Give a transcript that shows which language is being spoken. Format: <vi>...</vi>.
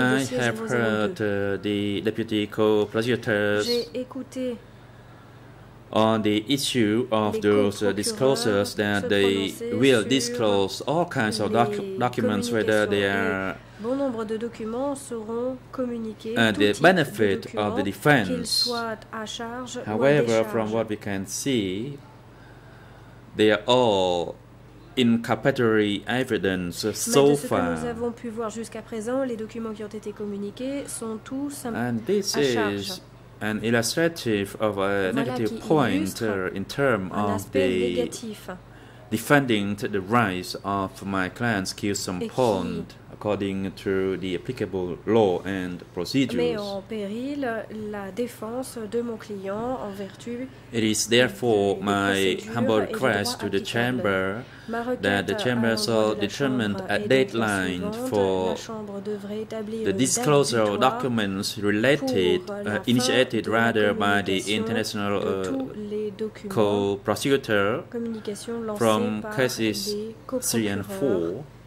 <en>dossier 002. I have heard the deputy co-prosecutors on the issue of those disclosures that they will disclose all kinds of documents, whether they are</en> <fr>bon nombre de documents seront communiqués</fr> <en>and the benefit of the defense.</en> <fr>Soient à charge</fr> <en>however, from what we can see, they are all inculpatory evidence so far.</en> <fr>Nous avons pu voir jusqu'à présent, les documents qui ont été communiqués sont tous</fr> <en>and this</en> <fr>à charge.</fr> <en>Is an illustrative of a</en> <fr>voilà</fr> <en>negative point in terms of the</en> <fr>négatif.</fr> <en>Defending to the rights of my client's Khe Sampon according to the applicable law and procedures.</en> <fr>Met en péril la défense de mon client en vertu</fr> <en>it is therefore my humble request to the chamber that the chamber shall determine a deadline for the disclosure of documents related, initiated rather by the international co-prosecutor from cases 3 and 4.</en>